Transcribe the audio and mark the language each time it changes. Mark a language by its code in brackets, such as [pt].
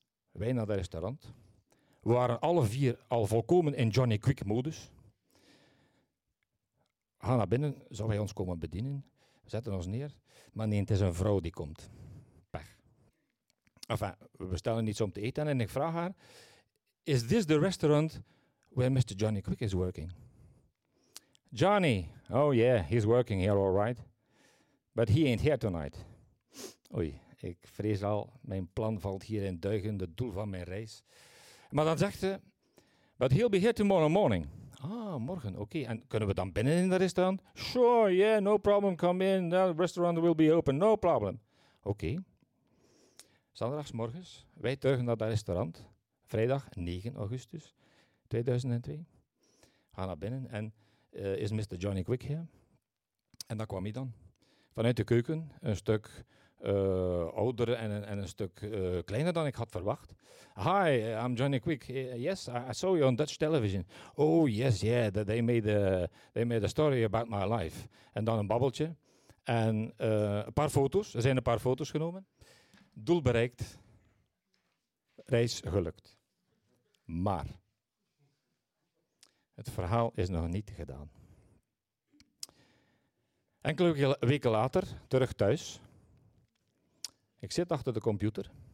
[nl] Wij naar het restaurant. We waren alle 4 al volkomen in Johnny Quick modus. We gaan naar binnen, zou hij ons komen bedienen? We zetten ons neer. Maar nee, het is een vrouw die komt. Pech. Enfin, we bestellen iets om te eten en ik vraag haar: [en] is this the restaurant where Mr. Johnny Quick is working? Johnny, oh yeah, he's working here all right. But he ain't here tonight. [nl] Oei, ik vrees al, mijn plan valt hier in duigen, het doel van mijn reis. Maar dan zegt ze, [en] but he'll be here tomorrow morning. [nl] Ah, morgen, oké. Okay. En kunnen we dan binnen in het restaurant? [en] Sure, yeah, no problem, come in. The restaurant will be open, no problem. [nl] Oké. Okay. Zondagsmorgens, wij tuigen naar dat restaurant. Vrijdag 9 augustus 2002. Gaan naar binnen en is Mr. Johnny Quick hier? En daar kwam hij dan. Vanuit de keuken, een stuk ouder en een stuk kleiner dan ik had verwacht. [en] Hi, I'm Johnny Quick. Yes, I saw you on Dutch television. Oh, yes, yeah, they made a story about my life. [nl] En dan een babbeltje. En een paar foto's, er zijn een paar foto's genomen. Doel bereikt. Reis gelukt. Maar het verhaal is nog niet gedaan. Enkele weken later, terug thuis. Ik zit achter de computer.